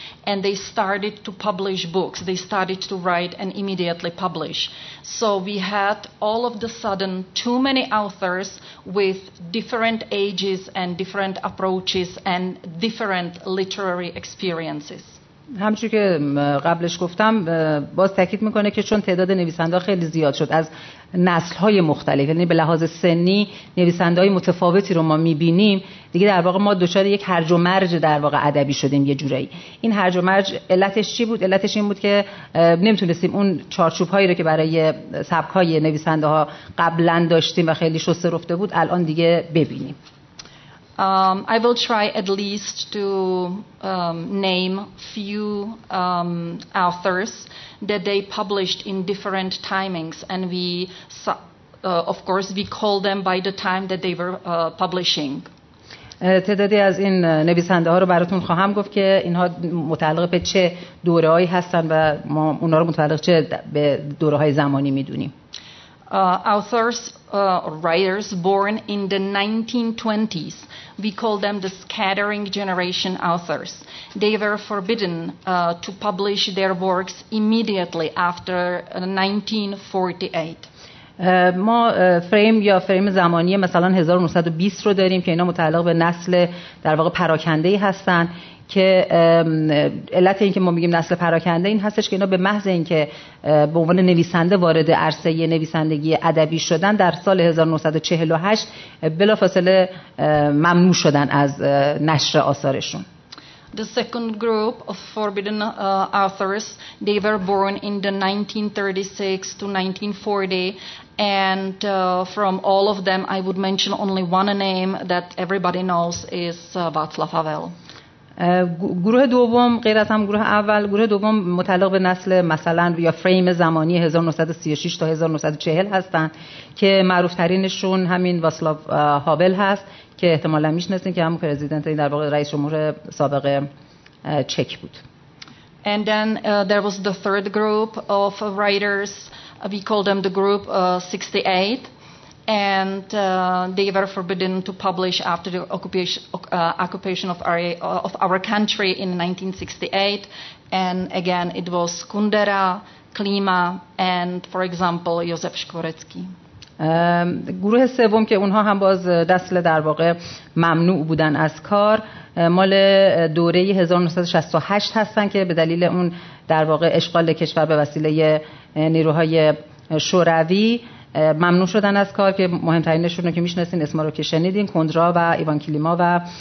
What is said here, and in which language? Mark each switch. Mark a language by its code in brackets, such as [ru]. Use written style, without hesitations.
[en] And they started to publish books. They started to write and immediately publish. So we had all of the sudden too many authors with different ages and different approaches and different literary experiences. [fa] همچون که قبلش گفتم باز تأکید میکنه که چون تعداد نویسنده‌ها خیلی زیاد شد از نسل‌های مختلف، یعنی به لحاظ سنی نویسنده‌های متفاوتی رو ما می‌بینیم، دیگه در واقع ما دچار یک هرج و مرج در واقع ادبی شدیم یه جوری. این هرج و مرج علتش چی بود؟ علتش این بود که نمیتونستیم اون چارچوب‌هایی رو که برای سبک‌های نویسنده‌ها قبلاً داشتیم و خیلی شسته رفته بود الان دیگه ببینیم. [en] I will try at least to name few authors that they published in different timings, and we, of course, we call them by the time that they were publishing. [fa] تعدادی از این نویسنده ها رو براتون خواهم گفت که اینها متعلق به چه دوره هایی هستن و ما اونا رو متعلق چه به دوره های زمانی میدونیم. [en] Authors, writers born in the 1920s, we call them the scattering generation authors. They were forbidden to publish their works immediately after 1948. [fa] ما فریم یا فریم زمانی مثلا 1920 رو داریم که اینا متعلق به نسل در واقع پراکنده‌ای هستن که علت اینکه ما میگیم نسل پراکنده این هستش که اینا به محض اینکه به عنوان نویسنده وارد عرصه نویسندگی ادبی شدن در سال 1948 بلافاصله ممنوع شدن از نشر آثارشون. [en] The second group of forbidden authors, they were born in the 1936 to 1940, and from all of them I would mention only one name that everybody knows is Václav Havel. [fa] گروه دوم غیر از هم گروه اول، گروه دوم متعلق به نسل مثلا یا فریم زمانی 1936 تا 1940 هستند که معروف ترینشون همین واسلاو هاول هست که احتمالا میشناسین که همون پرزیدنت این در واقع رئیس جمهور سابق چک بود. [en] And then there was the third group of writers, we call them the group 68. And they were forbidden to publish after the occupation of our country in 1968. And again, it was Kundera, Klima, and, for example, Josef Škvorecký. [fa] گروه سوم که اونها هم باز نسل در واقع ممنوع بودن از کار مال دوره 1968 هستن که به دلیل اون در واقع اشغال کشور به وسیله نیروهای شوروی ممنوع شدن از کار که مهمترینشون رو که میشناسین اسما رو که شنیدین کندرا و ایوان کلیما و